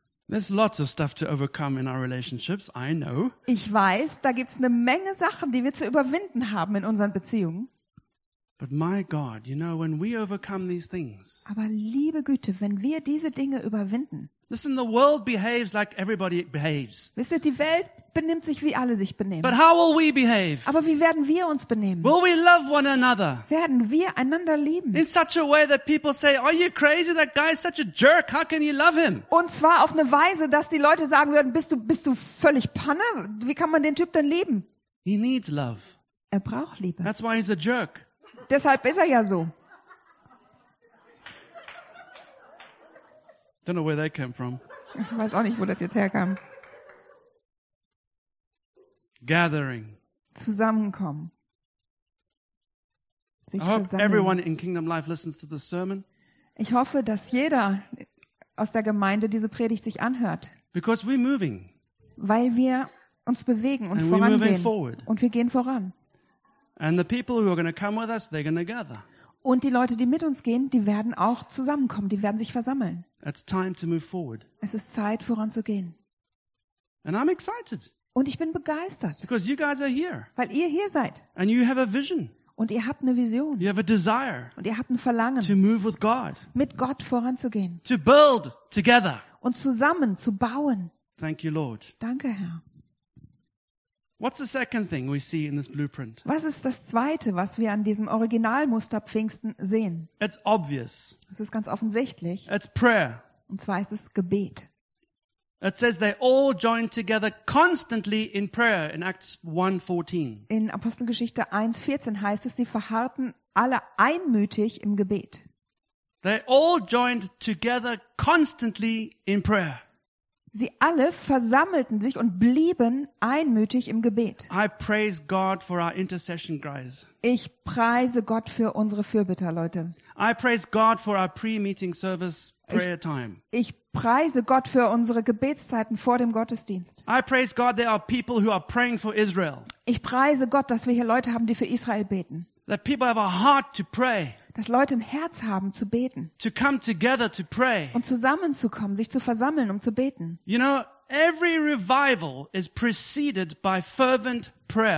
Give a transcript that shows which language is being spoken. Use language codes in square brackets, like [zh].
[en] There's lots of stuff to overcome in our relationships, I know. [de] Ich weiß, da gibt's eine Menge Sachen, die wir zu überwinden haben in unseren Beziehungen. [en] But my God, you know, when we overcome these things. [de] Aber liebe Güte, wenn wir diese Dinge überwinden. [en] Listen, the world behaves like everybody behaves. [de] Wisst ihr, die Welt benimmt sich, wie alle sich benehmen. [en] But how will we behave? [de] Aber wie werden wir uns benehmen? [en] Will we love one another? [de] Werden wir einander lieben? [en] In such a way that people say, are you crazy? That guy is such a jerk. How can you love him? [de] Und zwar auf eine Weise, dass die Leute sagen würden, bist du völlig Panne? Wie kann man den Typ denn lieben? [en] He needs love. [de] Er braucht Liebe. [en] That's why he's a jerk. [de] Deshalb ist er ja so. [en] Don't know where that came from. [de] Ich weiß auch nicht, wo das jetzt herkam. [en] Gathering. [de] Zusammenkommen. Sich versammeln. [en] I hope everyone in Kingdom Life listens to this sermon. [de] Ich hoffe, dass jeder aus der Gemeinde diese Predigt sich anhört. [en] Because we're moving. [de] Weil wir uns bewegen und vorangehen. [en] And we're moving forward. [de] Und wir gehen voran. [en] And the people who are going to come with us, they're going to gather. [de] Und die Leute, die mit uns gehen, die werden auch zusammenkommen, die werden sich versammeln. [en] It's time to move forward. [de] Es ist Zeit, voranzugehen. [en] And I'm excited. [de] Und ich bin begeistert. [en] Because you guys are here. [de] Weil ihr hier seid. [en] And you have a vision. [de] Und ihr habt eine Vision. [en] You have a desire. [de] Und ihr habt ein Verlangen. [en] To move with God. [de] Mit Gott voranzugehen. [en] To build together. [de] Und zusammen zu bauen. [en] Thank you, Lord. [de] Danke, Herr. [en] What's the second thing we see in this blueprint? [de] Was ist das zweite, was wir an diesem Originalmuster Pfingsten sehen? [en] It's obvious. [de] Es ist ganz offensichtlich. [en] It's prayer. [de] Und zwar ist es Gebet. [en] It says they all joined together constantly in prayer in Acts 1:14. [de] In Apostelgeschichte 1:14 heißt es, sie verharrten alle einmütig im Gebet. [en] They all joined together constantly in prayer. [de] Sie alle versammelten sich und blieben einmütig im Gebet. [en] I praise God for our intercession guys. [de] Ich preise Gott für unsere Fürbitter, Leute. [en] I praise God for our pre-meeting service prayer time. [de] Ich preise Gott für unsere Gebetszeiten vor dem Gottesdienst. [en] I praise God there are people who are praying for Israel. [de] Ich preise Gott, dass wir hier Leute haben, die für Israel beten. [en] That people have a heart to pray. [de] Dass Leute ein Herz haben zu beten. [en] To come together to pray. [de] Und zusammenzukommen, sich zu versammeln, um zu beten. [en] You know, every revival is preceded by fervent prayer.